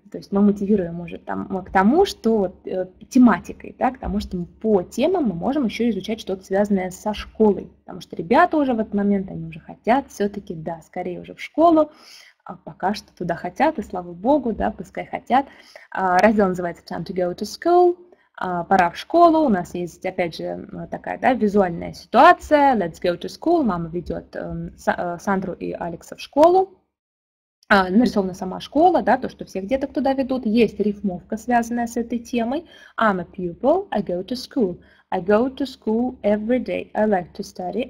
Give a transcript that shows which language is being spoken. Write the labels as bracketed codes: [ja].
[ru] То есть мы мотивируем уже там, к тому, что тематикой, да, к тому, что по темам мы можем еще изучать что-то связанное со школой. Потому что ребята уже в этот момент, они уже хотят все-таки, да, скорее уже в школу. А пока что туда хотят, и слава богу, да, пускай хотят. Раздел называется [en] «Time to go to school». [ru] Пора в школу, у нас есть, опять же, такая, да, визуальная ситуация. [en] Let's go to school. [ru] Мама ведет Сандру и Алекса в школу. Нарисована сама школа, да, то, что всех деток туда ведут. Есть рифмовка, связанная с этой темой. [en] I'm a pupil. I go to school. I go to school every day. I like to study.